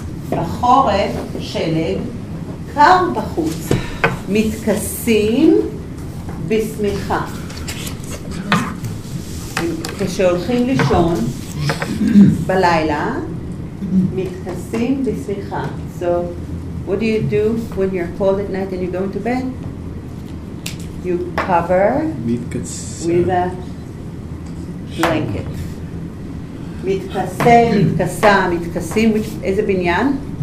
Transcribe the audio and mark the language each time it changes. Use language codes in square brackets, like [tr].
[he] בחורף שלג, קר בחוץ, מתכסים בשמיכה. כשהולכים לישון בלילה, מתכסים בשמיכה. [en] So, what do you do when you're cold at night and you're going to bed? You cover with a blanket. [he] מתכסה, מתכסה, מתכסים, איזה בניין?